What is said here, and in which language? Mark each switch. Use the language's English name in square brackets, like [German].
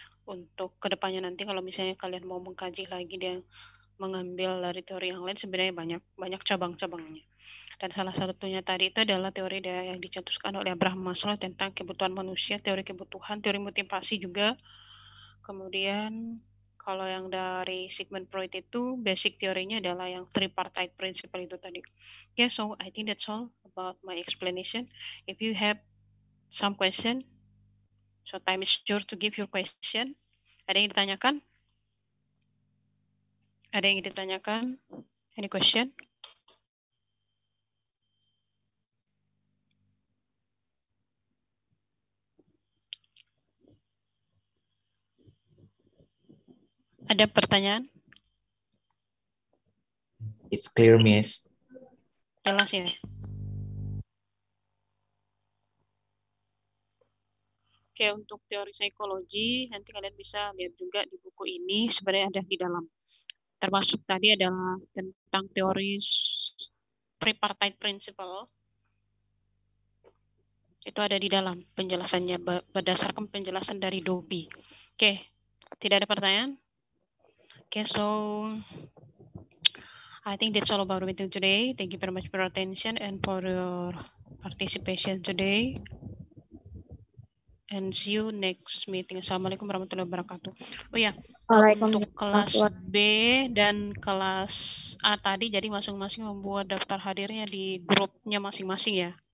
[Indonesian] Untuk kedepannya nanti kalau misalnya kalian mau mengkaji lagi dan mengambil dari teori yang lain, sebenarnya banyak cabang-cabangnya. Dan salah satunya tadi itu adalah teori yang dicetuskan oleh Abraham Maslow tentang kebutuhan manusia, teori kebutuhan, teori motivasi juga. Kemudian kalau yang dari Sigmund Freud itu basic teorinya adalah yang tripartite principle itu tadi. [English] Okay, so I think that's all about my explanation. If you have some question, so time is sure to give your question. [Indonesian] Ada yang ditanyakan? Ada yang ditanyakan? [English] Any question? [Indonesian] Ada pertanyaan? [English] It's clear, Miss. [Indonesian] Jelas ya. Oke, untuk teori psikologi, nanti kalian bisa lihat juga di buku ini, sebenarnya ada di dalam. Termasuk tadi adalah tentang teori tripartite principle. Itu ada di dalam penjelasannya, berdasarkan penjelasan dari Dobby. Oke, tidak ada pertanyaan? [English] Oke, so I think that's all about the meeting today. Thank you very much for your attention and for your participation today. And see you next meeting. [Arabic] Assalamualaikum warahmatullahi wabarakatuh. [Indonesian] Oh ya, untuk kelas B dan kelas A tadi, jadi masing-masing membuat daftar hadirnya di grupnya masing-masing ya.